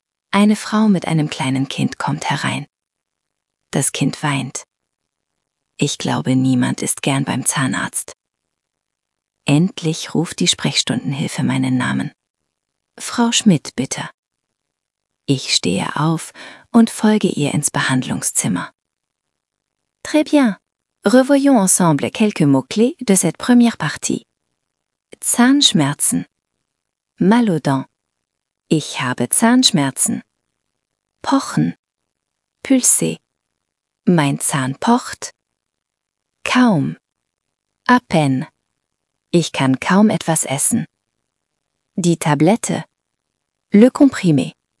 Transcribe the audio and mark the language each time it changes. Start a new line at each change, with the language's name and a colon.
German: Eine Frau mit einem kleinen Kind kommt herein. Das Kind weint. Ich glaube, niemand ist gern beim Zahnarzt. Endlich ruft die Sprechstundenhilfe meinen Namen. Frau Schmidt, bitte. Ich stehe auf und folge ihr ins Behandlungszimmer.
French: Très bien. Revoyons ensemble quelques mots-clés de cette première partie. Zahnschmerzen. Mal aux dents.
German: Ich habe Zahnschmerzen. Pochen.
French: Pulser.
German: Mein Zahn pocht. Kaum.
French: À peine.
German: Ich kann kaum etwas essen. Die Tablette.
French: Le comprimé.